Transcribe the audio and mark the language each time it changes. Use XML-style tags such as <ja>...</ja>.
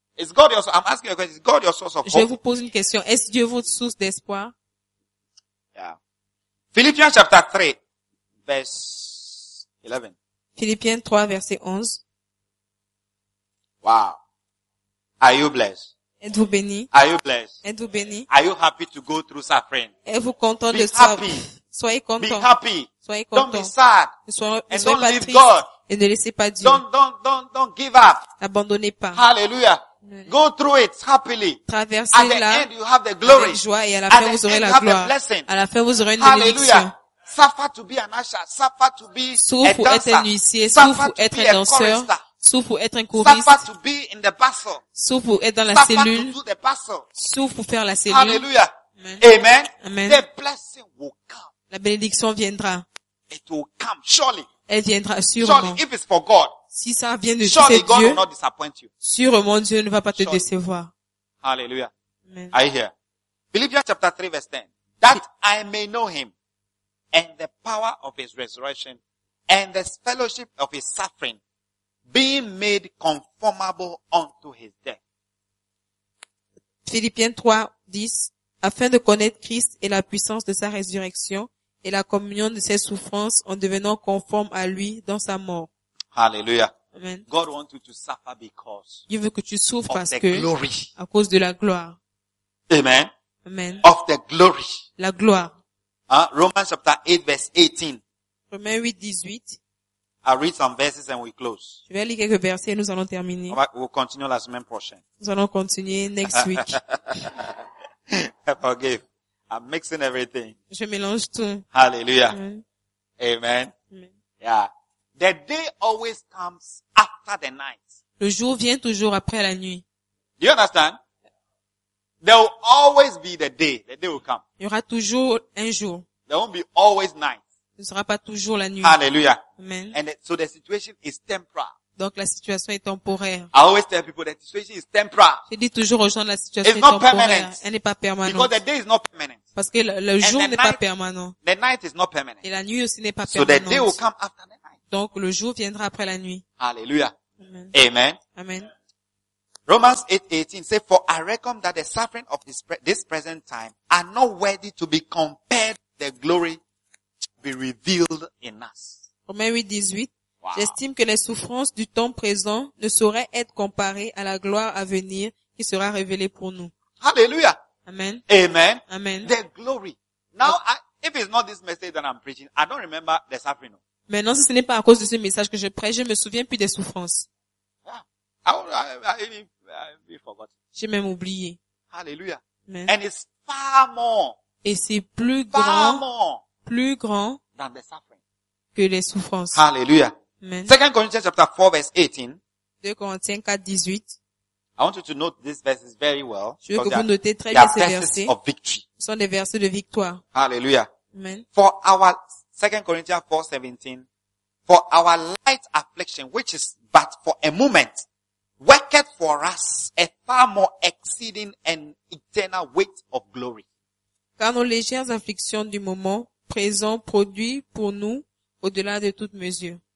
<en>Is God your, I'm asking you a question. Is God your source of hope?</en> <fr>Je vous pose une question. Est-ce Dieu votre source d'espoir? Yeah. Philippiens chapitre 3, verset 11. Philippiens 3, verset 11.</fr> <en>Wow. Are you blessed?</en> <fr>Êtes-vous béni?</fr> <en>Are you blessed?</en> <fr>Êtes-vous béni?</fr> <en>Are you happy to go through suffering?</en> <fr>Êtes-vous content</fr> <en>be</en> <fr>de ça?</fr> <en>Happy.</en> <fr>Soyez content.</fr> <en>Be happy.</en> <fr>Soyez content.</fr> <en>Don't be sad.</en> <fr>Ne soyez pas triste.</fr> <en>God.</en> <fr>Et ne laissez pas Dieu.</fr> <en>Don't give up.</en> <fr>N'abandonnez pas.</fr> <en>Hallelujah. Go through it happily.</en> <fr>Traversez-la.</fr> <en>At the end you have the glory.</en> <fr>Avec joie, et à la fin vous aurez la gloire.</fr> <en>Have the blessing.</en> <fr>À la fin vous aurez une bénédiction.</fr> <en>Hallelujah. Suffer to be an usher. Suffer to be</en> <fr>souffre</fr> <en>a dancer.</en> <fr>Être un huissier. Souffre pour être un danseur. Souffre pour être un choriste.</fr> <en>Suffer to be in the bustle.</en> <fr>Souffre pour être dans la</fr> <en>suffer</en> <fr>cellule.</fr> <en>To do the bustle.</en> <fr>Souffre pour faire la cellule.</fr> <en>Hallelujah. Amen. Amen. The blessing will come.</en> <fr>La bénédiction viendra.</fr> <en>It will come surely.</en> <fr>Elle viendra sûrement.</fr> <en>Surely, if it's for God.</en> <fr>Si ça vient de</fr> <en>surely,</en> <fr>Dieu,</fr> <en>will not disappoint you.</en> <fr>Sûrement Dieu ne va pas</fr> <en>surely.</en> <fr>Te décevoir.</fr> <en>Hallelujah. Amen. Are you here? Philippians chapter 3 verse 10. That I may know him and the power of his resurrection and the fellowship of his suffering being made conformable unto his death.</en> <fr>Philippiens 3, 10. Afin de connaître Christ et la puissance de sa résurrection et la communion de ses souffrances en devenant conforme à lui dans sa mort.</fr> <en>Hallelujah. Amen. God wants you to suffer because</en> <fr>Dieu veut que tu souffres</fr> <en>of</en> <fr>parce</fr> <en>the</en> <fr>que</fr> <en>glory.</en> <fr>À cause de la gloire.</fr> <en>Amen. Amen. Of the glory.</en> <fr>La gloire.</fr> <en>Romans chapter 8 verse 18.</en> <fr>Romains 8, 18.</fr> <en>I read some verses and we close.</en> <fr>Je vais lire quelques versets et nous allons terminer.</fr> <en>We'll continue</en> <fr>la semaine prochaine. Nous allons continuer</fr> <en>next week. Forgive. I'm mixing everything.</en> <fr>Je mélange tout.</fr> <en>Hallelujah. Amen. Amen. Amen. Yeah. The day always comes after the night.</en> <fr>Le jour vient toujours après la nuit.</fr> <en>Do you understand? There will always be the day. The day will come.</en> <fr>Il y aura toujours un jour.</fr> <en>There won't be always night.</en> <fr>Ce ne sera pas toujours la nuit.</fr> <en>Hallelujah. Amen. And so the situation is temporary.</en> <fr>Donc la situation est temporaire.</fr> <en>I always tell people that situation is temporary.</en> <fr>Je dis toujours aux gens la situation</fr> <en>it's</en> <fr>est temporaire.</fr> <en>Permanent.</en> <fr>Elle n'est pas permanente.</fr> <en>Because the day is not permanent.</en> <fr>Parce que le</fr> <en>and</en> <fr>jour n'est</fr> <en>night,</en> <fr>pas permanent.</fr> <en>The night is not permanent.</en> <fr>Et la nuit aussi n'est pas</fr> <en>so</en> <fr>permanente.</fr> <en>The day will come after the night.</en> <fr>Donc le jour viendra après la nuit.</fr> <en>Hallelujah. Amen. Amen. Amen. Romans 8:18 says, "For I reckon that the suffering of this present time are not worthy to be compared to the glory to be revealed in us."</en> <fr>Romains 8:18.</fr> <en>Wow.</en> <fr>J'estime que les souffrances du temps présent ne sauraient être comparées à la gloire à venir qui sera révélée pour nous.</fr> <en>Hallelujah. Amen. Amen. Amen. The glory. Now, if it's not this message that I'm preaching, I don't remember the suffering.</en> <fr>Maintenant, si ce n'est pas à cause de ce message que je prêche, je me souviens plus des souffrances.</fr> <en>Yeah. I forgot.</en> <fr>J'ai même oublié.</fr> <en>Hallelujah. Amen. And it's far more.</en> <fr>Et c'est plus</fr> <en>far</en> <fr>grand.</fr> <en>More</en> <fr>plus grand.</fr> <en>Than the suffering.</en> <fr>Que les souffrances.</fr> <en>Hallelujah. Amen. 2 Corinthians chapter 4 verse 18. 2 Corinthians 4, 18. I want you to note this verse very well.</en> <fr>Je veux que vous notez très bien ces versets.</fr> <en>They are verses of victory.</en> <fr>Ce sont des versets de victoire.</fr> <en>Hallelujah. Amen. For our 2 Corinthians 4, 17. For our light affliction, which is but for a moment, worketh for us a far more exceeding and eternal weight of glory.</en> <fr>Car nos légères afflictions du moment présent produit pour nous au-delà de toute mesure.</fr>